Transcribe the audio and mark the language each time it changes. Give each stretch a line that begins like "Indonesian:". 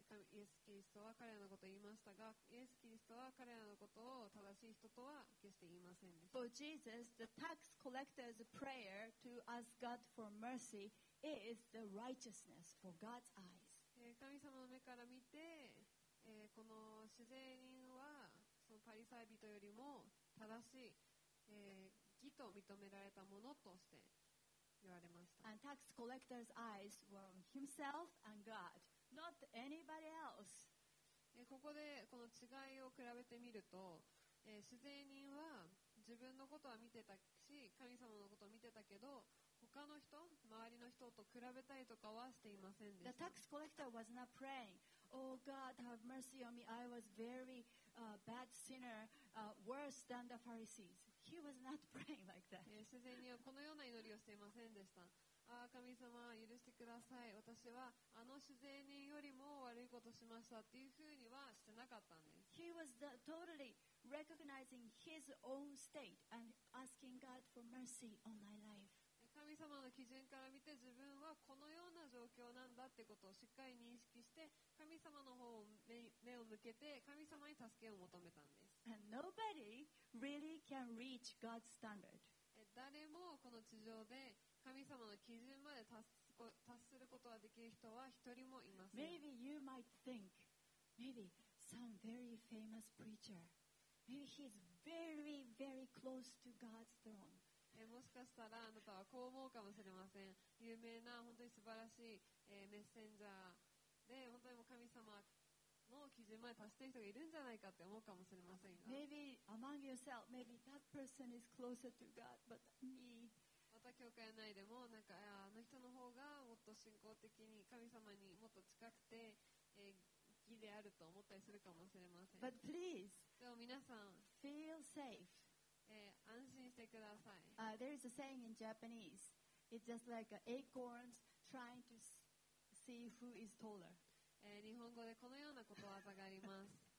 Japanese: イエス・キリストは彼らのことを言いましたが、イエス・キリストは彼らのことを正しい人とは決して言いませんでした。
English: For Jesus, the tax collector's prayer to ask God for mercy is the righteousness for God's eyes.
Japanese: 神様の目から見て、この主税人はそのパリサイ人よりも正しい、義と認められたものとして言われました。
English: And tax collector's eyes were himself and God. Not anybody else.
Japanese: ここでこの違いを比べてみると、主税人は自分のことは見てたし、神様のことを見てたけど、他の人、周りの人と比べたりとかはしていませんでした。
English: The tax collector was not praying, Oh God, have mercy on me. I was very bad sinner, worse than the Pharisees. He was not praying like that.
Japanese: 主税人はこのような祈りをしていませんでした。ああ神様許してください、私はあの主税人よりも悪いことしましたっていうふうにはしてなかったんです。
English: He was totally recognizing his own state and asking God for mercy on my life.
Japanese: 神様の基準から見て自分はこのような状況なんだってことをしっかり認識して、神様の方を 目を向けて神様に助けを求めたんです。
English: And nobody really can reach God's standard.
Japanese: 誰もこの地上で神様の基準まで達することができる人は一人もいません。
English: Maybe you might think, maybe some very famous preacher, maybe he's very, very close to God's throne.
Japanese: もしかしたらあなたはこう思うかもしれません。有名な本当に素晴らしい、メッセンジャーで本当にもう神様の基準まで達している人がいるんじゃないかって思うかもしれませんが。
English: Maybe among yourself, maybe that person is closer to God, but me.
Japanese: また教会内でもなんかあの人の方がもっと信仰的に神様にもっと近くて、義であると思ったりするかもしれません。
English: But please,
Japanese: でも皆さん
English: feel safe.、
Japanese: 安心してください。
English: There is a saying in Japanese. It's just like acorns trying to see who is taller.、
Japanese: 日本語でこのようなことわざがあります。